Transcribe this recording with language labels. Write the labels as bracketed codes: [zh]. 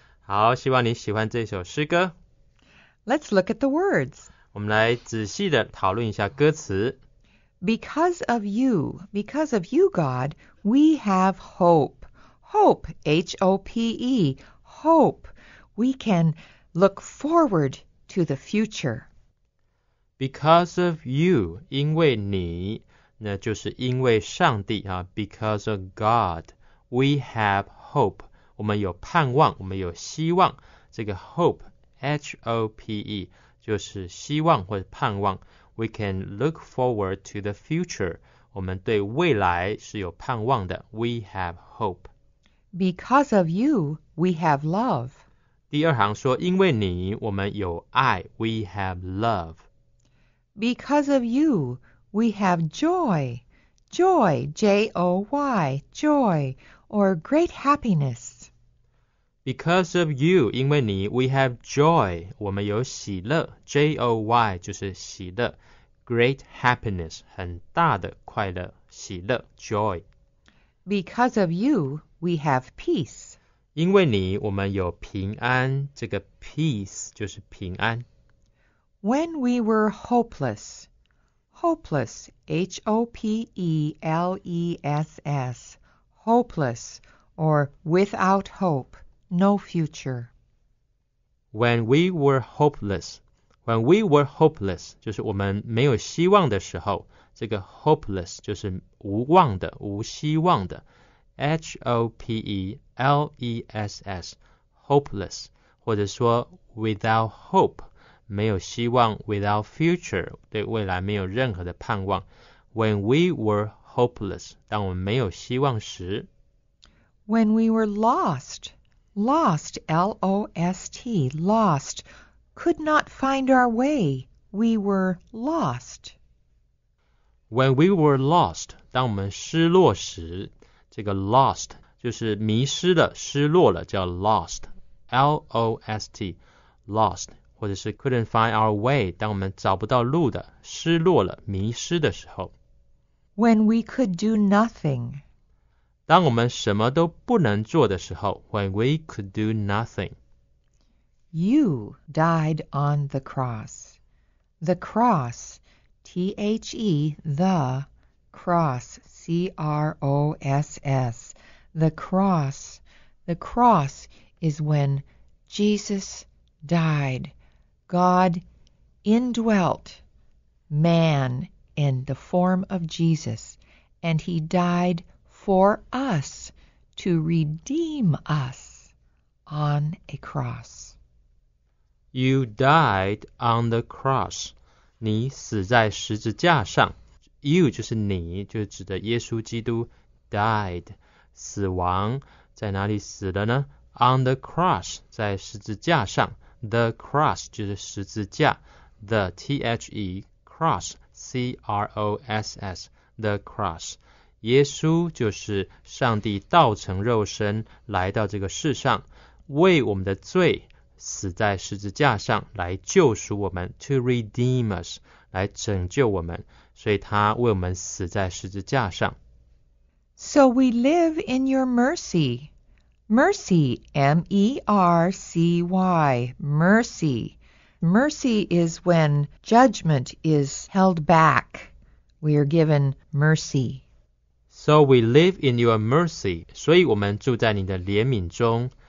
[zh] 好，希望你喜欢这首诗歌。 [en] Let's look at the words. [zh] 我们来仔细的讨论一下歌词。 [en] Because of you, because of you, God, we have hope. Hope, H-O-P-E, hope. We can look forward to the future. Because of you, [zh] 因为你，那就是因为上帝啊。 [en] Because of God, we have hope. [zh] 我们有盼望，我们有希望。这个 hope, H-O-P-E, 就是希望或者盼望。 [en] We can look forward to the future. [zh] 我们对未来是有盼望的。 [en] We have hope. Because of you, we have love. [zh] 第二行说，因为你，我们有爱。 [en] We have love. Because of you, we have joy. Joy, J-O-Y, joy, or great happiness. Because of you, [zh] 因为你, [en] we have joy, [zh] 我们有喜乐, [en] J-O-Y, [zh] 就是喜乐, [en] great happiness, [zh] 很大的快乐, 喜乐, [en] joy. Because of you, we have peace. [zh] 因为你, 我们有平安, 这个 peace 就是平安。 [en] When we were hopeless, hopeless, H-O-P-E-L-E-S-S, hopeless, or without hope. No future. When we were hopeless, [zh] when we were hopeless, 就是我们没有希望的时候，这个 hopeless 就是无望的，无希望的。 H-O-P-E-L-E-S-S, hopeless, 或者说 [en] without hope, [zh] 没有希望 [en] without future, [zh] 对未来没有任何的盼望。 [en] When we were hopeless, [zh] 当我们没有希望时。 [en] When we were lost,Lost, L-O-S-T, lost, could not find our way. We were lost. When we were lost, [zh] 当我们失落时，这个 lost 就是迷失的，失落了，叫 lost, L-O-S-T, lost, 或者是 [en] couldn't find our way, [zh] 当我们找不到路的，失落了，迷失的时候。 [en] When we could do nothing, [zh] 当我们什么都不能做的时候 , [en] when we could do nothing. You died on the cross. The cross, T-H-E, the cross, C-R-O-S-S. The cross is when Jesus died. God indwelt man in the form of Jesus, and he diedFor us to redeem us on a cross. You died on the cross. [zh] 你死在十字架上。 You 就是你，就指的耶稣基督 died, 死亡。在哪里死的呢？ [en] On the cross, [zh] 在十字架上。 The cross 就是十字架。 [en] The, T-H-E, cross, C-R-O-S-S, the cross. [zh] 耶稣就是上帝道成肉身来到这个世上，为我们的罪死在十字架上，来救赎我们 ， [en] to redeem us， [zh] 来拯救我们。所以他为我们死在十字架上。 [en] So we live in your mercy, mercy, M-E-R-C-Y, mercy. Mercy is when judgment is held back. We are given mercy. So we live in your mercy. [zh] 所以我们住在你的怜悯中。